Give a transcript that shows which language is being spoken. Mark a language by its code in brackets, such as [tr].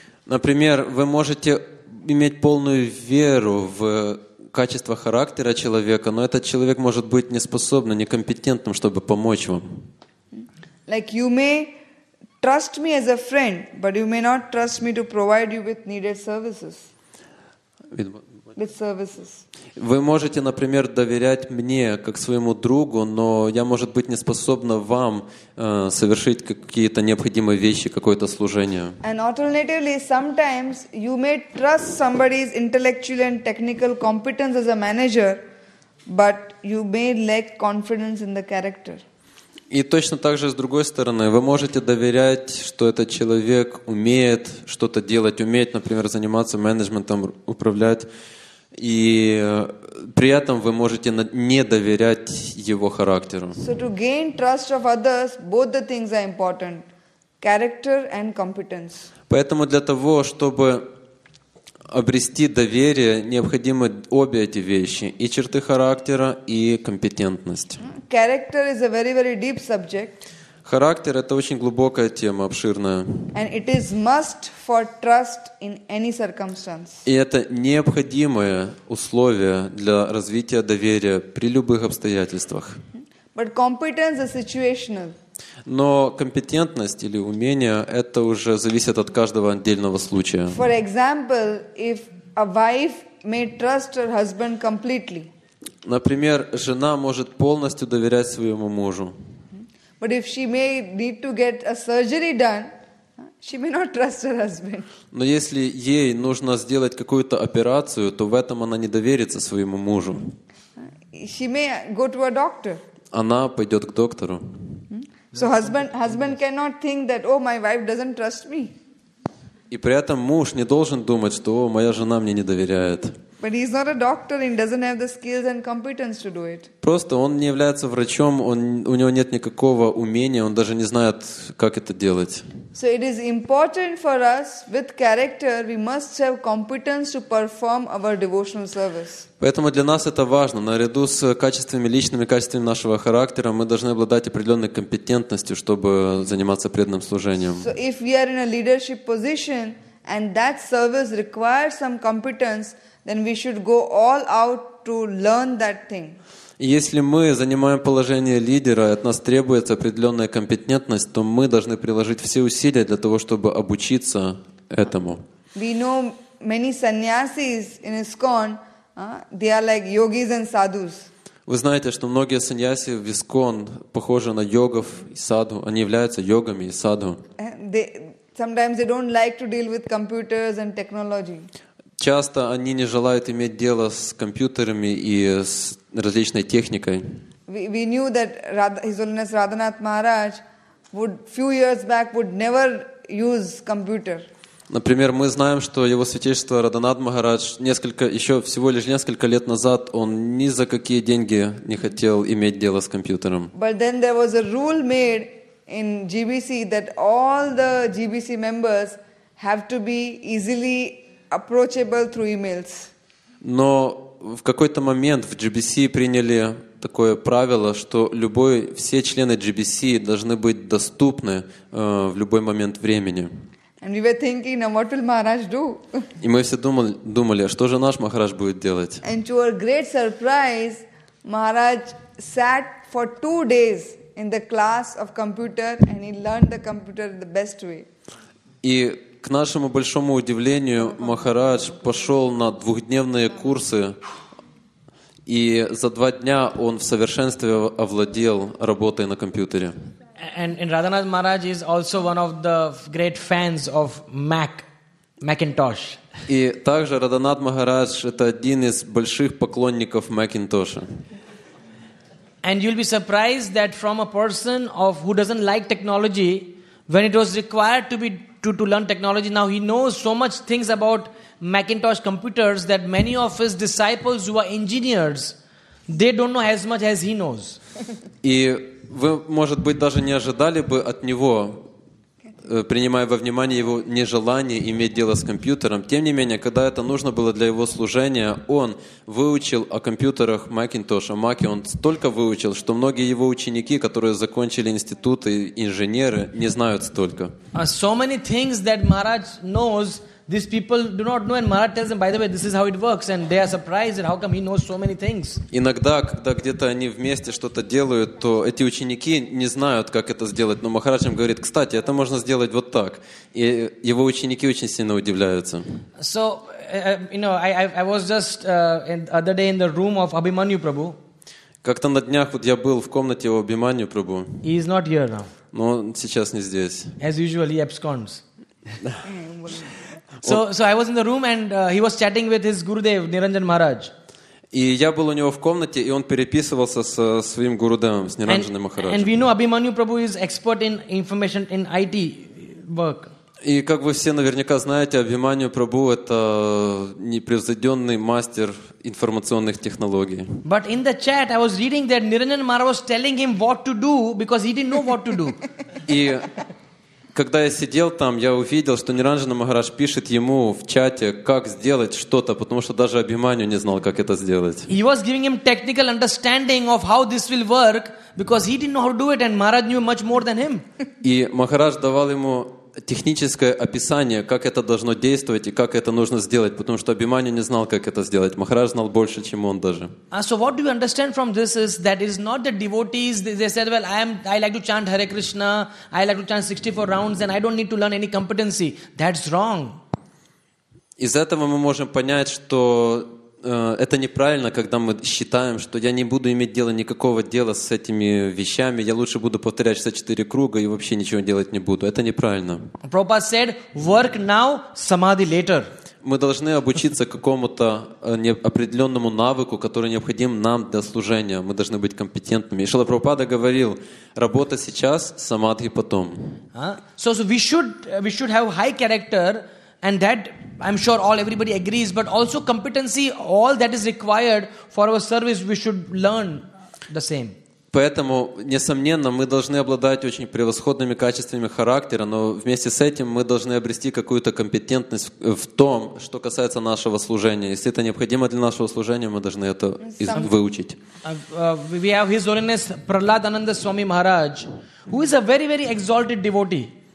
[ru] Например, вы можете иметь полную веру в качество характера человека, но этот человек может быть неспособным, некомпетентным, чтобы помочь вам. [en] Like you may trust me as a friend, but you may not trust me to provide you with needed services. With services. [ru] Вы можете, например, доверять мне как своему другу, но я, может быть, не способна вам совершить какие-то необходимые вещи, какое-то служение. [en] And alternatively, sometimes you may trust somebody's intellectual and technical competence as a manager, but you may lack confidence in the character. [ru] И точно так же, с другой стороны, вы можете доверять, что этот человек умеет что-то делать, умеет, например, заниматься менеджментом, управлять, и при этом вы можете не доверять его характеру. [en] So to gain trust of others, both the things are important: character and competence. [ru] Поэтому для того, чтобы обрести доверие, необходимы обе эти вещи: и черты характера, и компетентность. [en] Character is a very, very deep subject. [ru] Характер — это очень глубокая тема, обширная. [en] And it is must for trust in any circumstance. [ru] И это необходимое условие для развития доверия при любых обстоятельствах. [en] But competence is situational. [ru] Но компетентность или умение – это уже зависит от каждого отдельного случая. [en] For example, if a wife may trust her husband completely. [ru] Например, жена может полностью доверять своему мужу. [en] But if she may need to get a surgery done, she may not trust her husband. [ru] Но если ей нужно сделать какую-то операцию, то в этом она не доверится своему мужу. [en] She may go to a doctor. [ru] Она пойдет к доктору. [en] So husband cannot think that, oh, my wife doesn't trust me. [ru] И при этом муж не должен думать, что, о, моя жена мне не доверяет. [en] But he's not a doctor and doesn't have the skills and competence to do it. [ru] Просто он не является врачом, у него нет никакого умения, он даже не знает, как это делать. [en] So it is important for us with character, we must have competence to perform our devotional service. [ru] Поэтому для нас это важно. Наряду с качествами личными, качествами нашего характера, мы должны обладать определенной компетентностью, чтобы заниматься преданным служением. [en] So if we are in a leadership position and that service requires some competence, then we should go all out to learn that thing. [ru] Если мы занимаем положение лидера, от нас требуется определенная компетентность, то мы должны приложить все усилия для того, чтобы обучиться этому. [en] We know many sannyasis in ISKCON, they are like yogis and sadhus. [ru] Вы знаете, что многие саньяси в ИСККОН похожи на йогов и садху, они являются йогами и садху. [en] Sometimes they don't like to deal with computers and technology. [ru] Часто они не желают иметь дело с компьютерами и с различной техникой. [en] We knew that His Holiness Radhanath Maharaj would few years back would never use computer. [ru] Например, мы знаем, что Его Святейшество Радханат Махарадж всего лишь несколько лет назад он ни за какие деньги не хотел иметь дело с компьютером. [en] But then there was a rule made in GBC that all the GBC members have to be easily approachable through emails. [ru] Но в какой-то момент в GBC приняли такое правило, что все члены GBC должны быть доступны в любой момент времени. [en] And we were thinking, now what will Maharaj do? [ru] И мы все думали, что же наш Махарадж будет делать? [en] And to our great surprise, Maharaj sat for 2 days in the class of computer and he learned the computer the best way. [ru] И к нашему большому удивлению, Махарадж пошел на 2-дневные курсы, и за 2 дня он в совершенстве овладел работой на компьютере. [en] And Radhanath Maharaj is also one of the great fans of Macintosh. [ru] И также Радханат Махарадж это один из больших поклонников Макинтоша. [en] And you'll be surprised that from a person of who doesn't like technology, when it was required to learn technology, now he knows so much things about Macintosh computers that many of his disciples who are engineers, they don't know as much as he knows. [ru] И вы, может быть, даже не ожидали бы от него, принимая во внимание его нежелание иметь дело с компьютером. Тем не менее, когда это нужно было для его служения, он выучил о компьютерах Macintosh, о Mac, он столько выучил, что многие его ученики, которые закончили институты, инженеры, не знают столько. [en] So many things that Maharaj knows, these people do not know, and Maharaj tells them, by the way, this is how it works, and they are surprised at how come he knows so many things. [ru] Иногда, когда где-то они вместе что-то делают, то эти ученики не знают, как это сделать, но Махарадж им говорит, кстати, это можно сделать вот так. И его ученики очень сильно удивляются. [en] So, you know, I was just the other day in the room of Abhimanyu Prabhu. [ru] Как-то на днях вот я был в комнате у Абхиманью Прабху. [en] He is not here now. [ru] Но он сейчас не здесь. [en] As usual, he absconds. So I was in the room and he was chatting with his Gurudev, Niranjan Maharaj. [ru] И я был у него в комнате, и он переписывался со своим Гурудевом, с Ниранджаном Махараджем. [en] And we know Abhimanyu Prabhu is expert in information in IT work. [ru] И как вы все наверняка знаете, Абхиманью Прабху это непревзойденный мастер информационных технологий. [en] But in the chat I was reading that Niranjan Maharaj was telling him what to do because he didn't know what to do. [ru] И когда я сидел там, я увидел, что Ниранджана Махарадж пишет ему в чате, как сделать что-то, потому что даже Абхиманью не знал, как это сделать. [en] He was giving him technical understanding of how this will work, because he didn't know how to do it, and Maharaj knew much more than him. [ru] И Махарадж давал ему техническое описание, как это должно действовать и как это нужно сделать, потому что Абиманю не знал, как это сделать. Махарадж знал больше, чем он даже. [en] So what do you understand from this is that it is not the devotees, they said, well, I like to chant Hare Krishna, I like to chant 64 rounds and I don't need to learn any competency. That's wrong. [ru] Из этого мы можем понять, что это неправильно, когда мы считаем, что я не буду иметь дела никакого дела с этими вещами, я лучше буду повторять 64 круга и вообще ничего делать не буду. Это неправильно. [en] Prabhupada said, work now, samadhi later. [ru] Мы должны обучиться какому-то определенному навыку, который необходим нам для служения. Мы должны быть компетентными. Шрила Прабхупада говорил, работа сейчас, самадхи потом. [en] So we should have high character. And that, I'm sure everybody agrees, but also competency, all that is required for our service, we should learn the same. [ru] Поэтому, несомненно, мы должны обладать очень превосходными качествами характера, но вместе с этим мы должны обрести какую-то компетентность в том, что касается нашего служения. Если это необходимо для нашего служения, мы должны это выучить. [en] We have His Holiness Prahlad Ananda Swami Maharaj, who is a very, very exalted devotee.